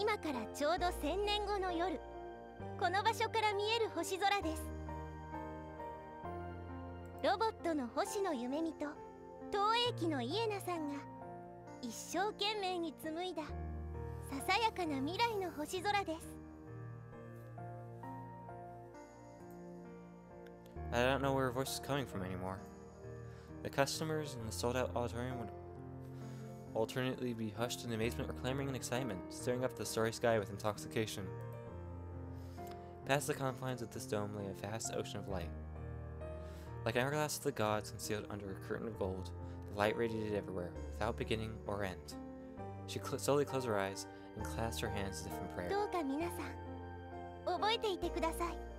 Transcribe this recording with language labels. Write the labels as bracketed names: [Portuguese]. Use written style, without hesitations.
[Japanese] 今からちょうど1000年後の夜、この場所から見える星空です。ロボットの星野夢美と投影機のイエナさんが一生懸命に紡いだささやかな未来の星空です。 [English] I don't know where her voice is coming from anymore. The customers in the sold-out auditorium would. Alternately be hushed in amazement or clamoring in excitement, staring up at the starry sky with intoxication. Past the confines of this dome lay a vast ocean of light. Like an hourglass of the gods concealed under a curtain of gold, the Light radiated everywhere, without beginning or end. She slowly closed her eyes and clasped her hands as if in prayer. [Japanese] どうか皆さん、覚えていてください。